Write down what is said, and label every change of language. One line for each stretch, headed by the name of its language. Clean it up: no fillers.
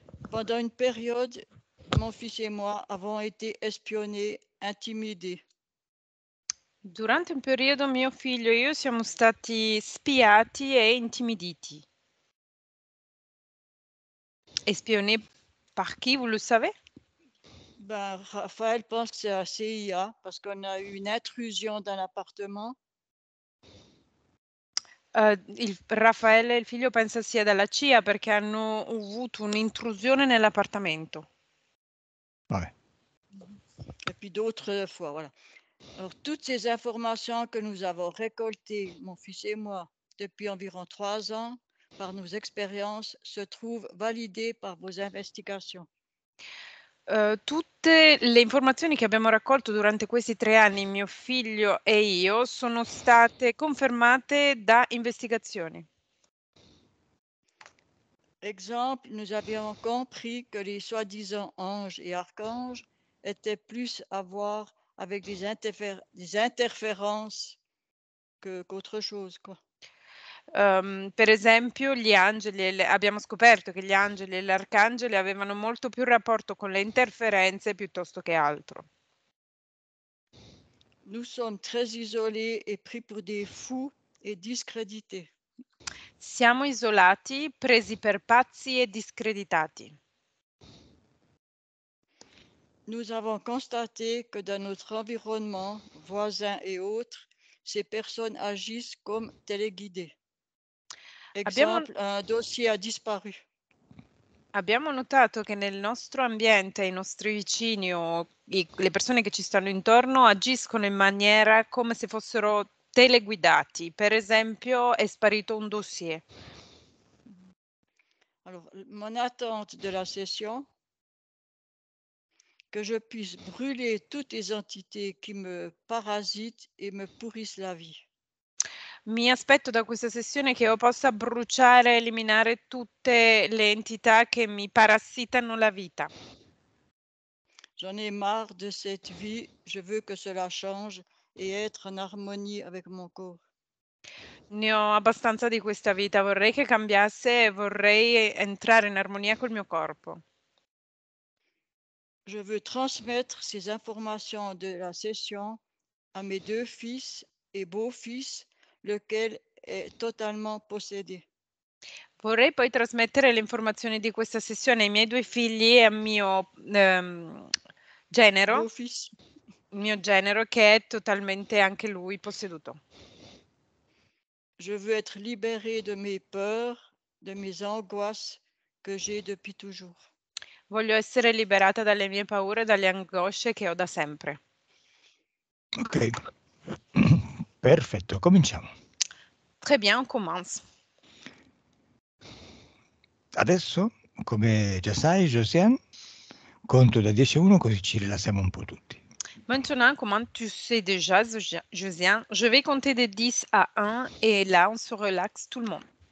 French: Pendant une période, mon fils et moi avons été espionnés, intimidés.
Italian: Durante un periodo mio figlio e io siamo stati spiati e intimiditi.
French: Espionné par qui, vous le savez? Ben, Raphaël pense que c'est la CIA parce qu'on a eu une intrusion dans l'appartement.
Italian: Raphaël
French: et le
Italian: figlio pensa sia dalla CIA perché hanno avuto un'intrusione nell'appartamento.
French: Ouais. Et puis d'autres fois, voilà. Alors, toutes ces informations que nous avons récoltées, mon fils et moi, depuis environ 3 ans, par nos expériences, se trouvent validées par vos investigations.
Italian: Tutte le informazioni che abbiamo raccolto durante questi 3 anni, mio figlio e io, sono state confermate da investigazioni.
French: Exemple, nous avions compris que les soi-disant anges et archanges étaient plus à voir avec des interférences qu'autre chose, quoi.
Italian: Per esempio, gli angeli, abbiamo scoperto che gli angeli e gli arcangeli avevano molto più rapporto con le interferenze piuttosto che altro.
French: Nous sommes très isolés et pris pour des fous et discrédités.
Italian: Siamo isolati, presi per pazzi e discreditati.
French: Nous avons constaté que dans notre environnement, voisins et autres, ces personnes agissent comme téléguidées. Exemple, un dossier a disparu.
Italian: Abbiamo notato che nel nostro ambiente, i nostri vicini o le persone che ci stanno intorno agiscono in maniera come se fossero teleguidati. Per esempio, è sparito un dossier.
French: Alors, mon attente de la session, que je puisse brûler toutes les entités qui me parasitent et me pourrissent la vie.
Italian: Mi aspetto da questa sessione che io possa bruciare e eliminare tutte le entità che mi parassitano la vita.
French: J'en ai marre de cette vie, je veux que cela change et être en harmonie avec mon corps.
Italian: Ne ho abbastanza di questa vita, vorrei che cambiasse e vorrei entrare in armonia col mio corpo.
French: Je veux transmettre ces informations de la session à mes deux fils et beau-fils, lequel est totalement possédé.
Italian: Vorrei poi trasmettere le informazioni di questa sessione ai miei due figli e a mio genero.
French: Beau-fils.
Italian: Mio genero, che è totalmente anche lui posseduto.
French: Je veux être libérée de mes peurs, de mes angoisses que j'ai depuis toujours.
Italian: Voglio essere liberata dalle mie paure e dalle angosce che ho da sempre. Ok, perfetto, cominciamo.
French: Très bien, on commence.
Italian: Adesso, come già sai, Josiane, conto da 10 a 1 così ci rilassiamo un po' tutti.
French: Maintenant, comme tu sais déjà, Josiane, je vais compter de 10 à 1 et là, on se relaxe tout le monde.